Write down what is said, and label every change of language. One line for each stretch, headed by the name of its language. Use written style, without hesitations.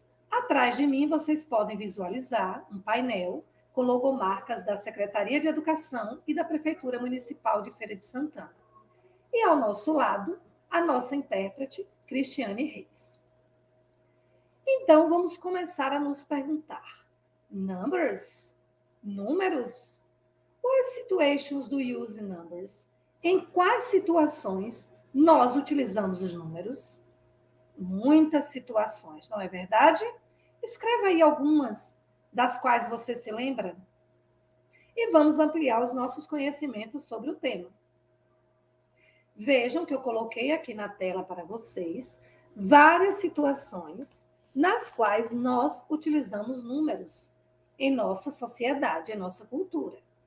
Portuguese: Atrás de mim vocês podem visualizar um painel com logomarcas da Secretaria de Educação e da Prefeitura Municipal de Feira de Santana. E ao nosso lado, a nossa intérprete, Cristiane Reis. Então, vamos começar a nos perguntar: numbers? Números?
English: What situations do you use numbers?
Portuguese: Em quais situações nós utilizamos os números? Muitas situações, não é verdade? Escreva aí algumas das quais você se lembra. E vamos ampliar os nossos conhecimentos sobre o tema. Vejam que eu coloquei aqui na tela para vocês várias situações nas quais nós utilizamos números em nossa sociedade, em nossa cultura.